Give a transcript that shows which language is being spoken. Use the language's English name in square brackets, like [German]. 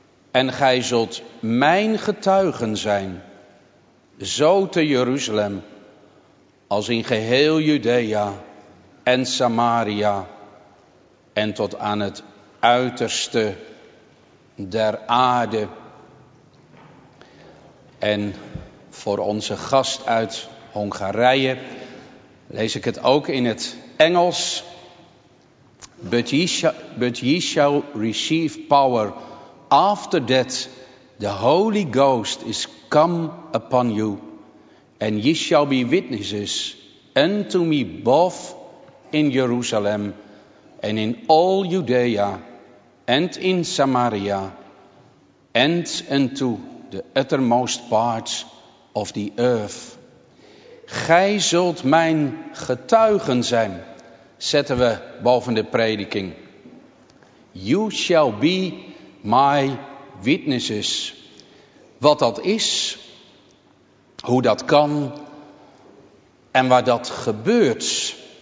[Dutch] En gij zult mijn getuigen zijn, zo te Jeruzalem, als in geheel Judea en Samaria, en tot aan het uiterste der aarde. En voor onze gast uit Hongarije lees ik het ook in het Engels. [English] But ye shall receive power after that the Holy Ghost is come upon you, and ye shall be witnesses unto me both in Jerusalem and in all Judea and in Samaria, and unto the uttermost parts of the earth. [Dutch] Gij zult mijn getuigen zijn, zetten we boven de prediking. [English] You shall be my witnesses. [Dutch] Wat dat is, hoe dat kan en waar dat gebeurt.